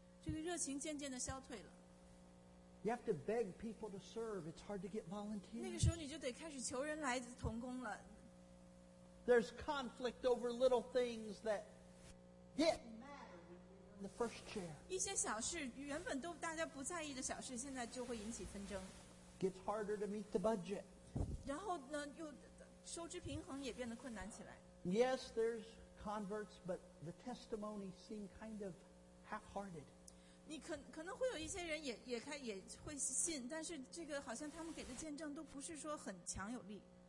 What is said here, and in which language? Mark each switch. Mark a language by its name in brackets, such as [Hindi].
[Chinese] 这个热情渐渐的消退了。 [English] You have to beg people to serve. It's hard to get volunteers. [Chinese] 那个时候你就得开始求人来同工了。 [English] There's conflict over little things that get the first chair. [Chinese] 一些小事原本都大家不在意的小事现在就会引起纷争。 [English] Gets harder to meet the budget. [Chinese] 然后呢又收支平衡也变得困难起来。 [English] Yes, there's converts, but the testimony seem kind of half-hearted. [Chinese] 你可能会有一些人也会信，但是这个好像他们给的见证都不是说很强有力。